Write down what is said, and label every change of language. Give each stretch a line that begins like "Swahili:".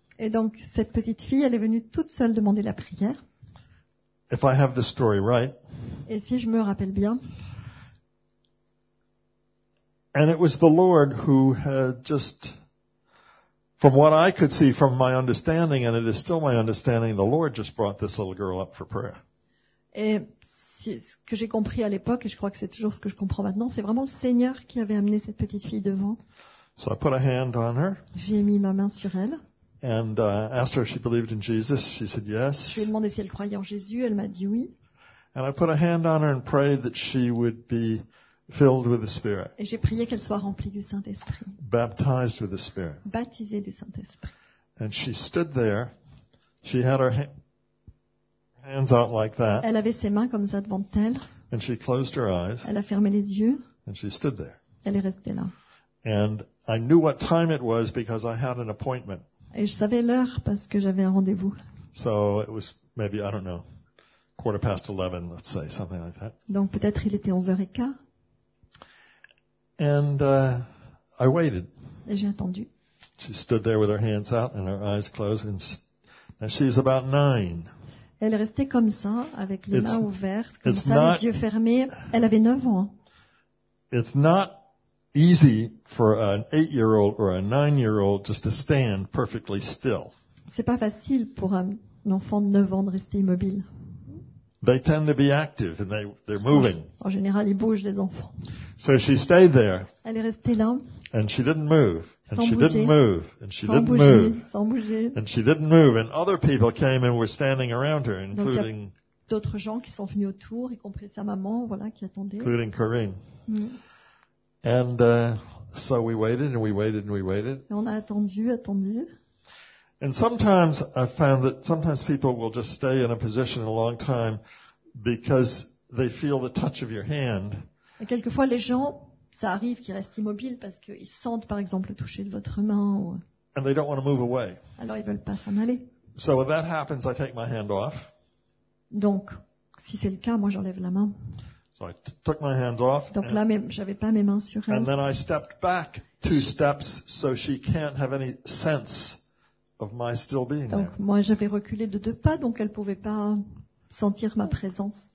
French: Et donc, cette petite fille, elle est venue toute seule demander la prière.
English: If I have the story right.
French: Et si je me rappelle bien.
English: And it was the Lord who had just, from what I could see from my understanding, and it is still my understanding, the Lord just brought this little girl up for prayer.
French: Et ce que j'ai compris à l'époque, et je crois que c'est toujours ce que je comprends maintenant, c'est vraiment le Seigneur qui avait amené cette petite fille devant.
English: So I put a hand on her.
French: J'ai mis ma main sur elle.
English: And asked her if she believed in Jesus. She said yes.
French: Je lui ai demandé si elle croyait en Jésus. Elle m'a dit oui.
English: And I put a hand on her and prayed that she would be filled with the Spirit.
French: Et j'ai prié qu'elle soit remplie du Saint-Esprit.
English: Baptized with the Spirit.
French: Baptisée du Saint-Esprit.
English: And she stood there. She had her hands out like that.
French: Elle avait ses mains comme ça devant elle.
English: And she closed her eyes.
French: Elle a fermé les yeux.
English: And she stood there.
French: Elle est restée là.
English: And I knew what time it was because I had an appointment.
French: Et je savais l'heure parce que j'avais un rendez-vous.
English: So it was maybe, I don't know, quarter past 11, let's say, something like that.
French: Donc peut-être il était 11h15.
English: And I waited.
French: Et j'ai attendu.
English: She stood there with her hands out and her eyes closed. And she's about 9.
French: Elle est restée comme ça, avec les mains ouvertes, comme ça, les yeux fermés. Elle avait 9 ans.
English: It's not easy for an 8-year-old or a 9-year-old just to stand perfectly still.
French: C'est pas facile pour un enfant de 9 ans de rester immobile.
English: They tend to be active and they're moving.
French: En général, ils bougent les enfants.
English: So she stayed there.
French: Elle est restée là.
English: And she didn't move. And she didn't move. And she didn't
French: move. Sans bouger.
English: And she didn't move. And other people came and were standing around her, including
French: d'autres gens qui sont venus autour, y compris sa maman, voilà, qui attendait.
English: Including Corinne. And so we waited and we waited and we waited.
French: Et on a attendu.
English: And sometimes I've found that sometimes people will just stay in a position a long time because they feel the touch of your hand.
French: Et quelquefois les gens, ça arrive qu'ils restent immobiles parce qu'ils sentent par exemple le toucher de votre main. Ou...
English: And they don't want to move away.
French: Alors ils veulent pas s'en aller.
English: So when that happens, I take my hand off.
French: Donc, si c'est le cas, moi j'enlève la main.
English: So I took my hands off.
French: Donc là, j'avais pas mes mains sur elle.
English: And then I stepped back two steps, so she can't have any sense of my still being there.
French: Donc moi j'avais reculé de deux pas, donc elle pouvait pas sentir ma présence.